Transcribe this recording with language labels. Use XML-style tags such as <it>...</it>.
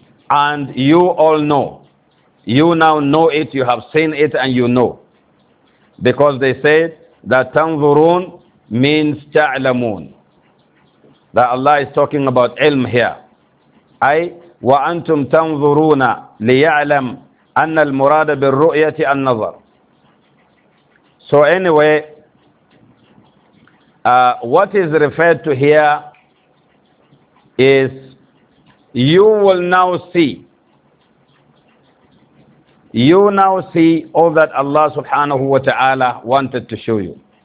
<en>And you all know. You now know it, you have seen it, and you know. Because they said that تَنْظُرُونَ means تعلمون. That Allah is talking about ilm here.</en> <ar>أي وأنتم تنظرون ليعلم أن المراد بالرؤية النظر.</ar> <en>So anyway, what is referred to here is you will now see. You now see all that Allah subhanahu wa ta'ala wanted to show you.</en>